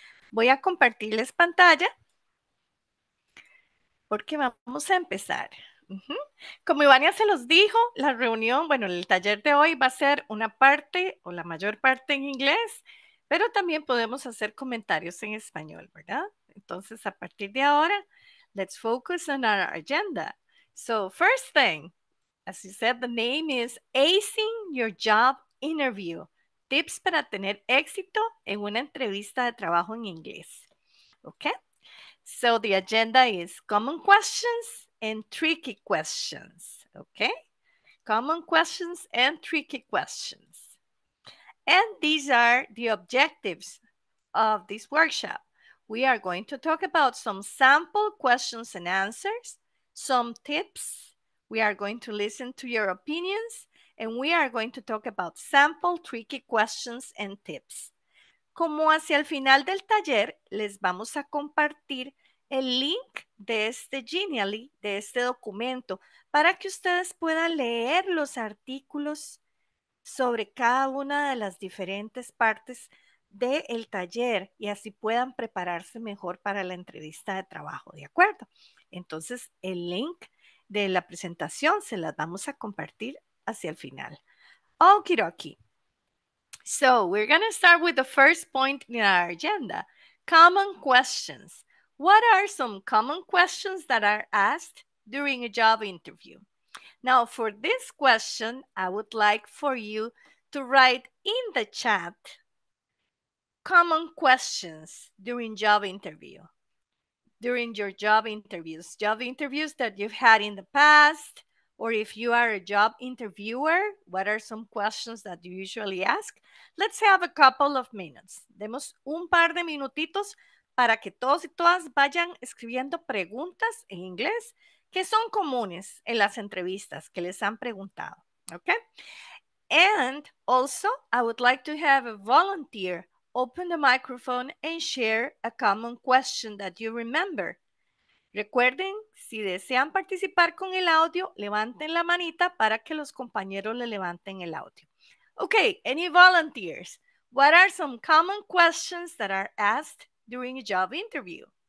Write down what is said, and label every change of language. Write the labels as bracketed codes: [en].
[es] Voy a compartirles pantalla porque vamos a empezar. Como Ivania se los dijo, la reunión, bueno, el taller de hoy va a ser una parte o la mayor parte en inglés, pero también podemos hacer comentarios en español, ¿verdad? Entonces, a partir de ahora, [en] let's focus on our agenda. So first thing, as you said, the name is Acing Your Job Interview. [es] Tips para tener éxito en una entrevista de trabajo en inglés. [en] Okay? So the agenda is common questions and tricky questions. Okay? Common questions and tricky questions. And these are the objectives of this workshop. We are going to talk about some sample questions and answers, some tips. We are going to listen to your opinions, and we are going to talk about sample tricky questions and tips. [es] Como hacia el final del taller, les vamos a compartir el link de este Genially, de este documento, para que ustedes puedan leer los artículos sobre cada una de las diferentes partes de el taller y así puedan prepararse mejor para la entrevista de trabajo, ¿de acuerdo? Entonces, el link de la presentación se las vamos a compartir hacia el final. Okidoki. [en] So, we're going to start with the first point in our agenda. Common questions. What are some common questions that are asked during a job interview? Now, for this question, I would like for you to write in the chat common questions during job interview, during your job interviews that you've had in the past, or if you are a job interviewer, what are some questions that you usually ask? Let's have a couple of minutes. [es] Demos un par de minutitos para que todos y todas vayan escribiendo preguntas en inglés que son comunes en las entrevistas que les han preguntado, okay? [en] And also, I would like to have a volunteer open the microphone and share a common question that you remember. [es] Recuerden, si desean participar con el audio, levanten la manita para que los compañeros le levanten el audio. [en] Okay, any volunteers? What are some common questions that are asked during a job interview?